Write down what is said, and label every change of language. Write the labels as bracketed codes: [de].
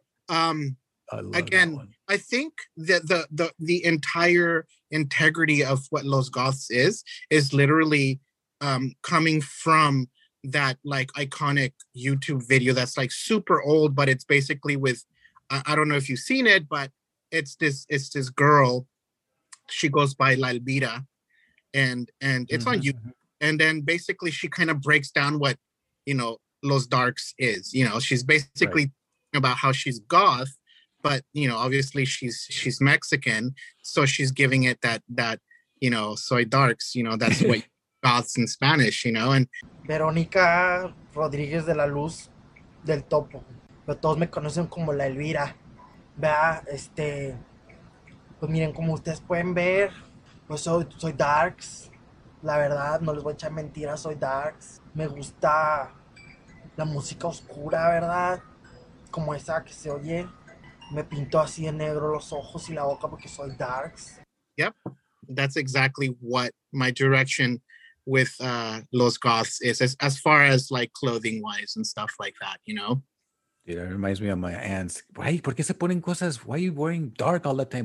[en] I think that the entire integrity of what Los Goths is literally coming from that like iconic YouTube video that's like super old, but it's basically with I don't know if you've seen it, but it's this girl, she goes by La Elvira, and it's mm-hmm. on YouTube, and then basically she kind of breaks down what, you know, Los Darks is, you know, she's basically right. about how she's goth, but you know, obviously she's Mexican, so she's giving it that you know, [es] soy darks, [en] you know, that's what goths in Spanish, you know. And [es] Verónica Rodríguez de la Luz del Topo, pero todos me conocen como La Elvira, ¿verdad? Pues miren, como ustedes pueden ver, pues soy darks, la verdad, no les voy a echar mentiras, soy darks. Me gusta la música oscura, ¿verdad? Como esa que se oye. Me pinto así de negro los ojos y la boca porque soy darks. [en] Yep, that's exactly what my direction with Los Goths is as far as like clothing wise and stuff like that, you know. Dude, it reminds me of my aunts. Why? [es] ¿Por qué se ponen cosas? [en] Why are you wearing dark all the time?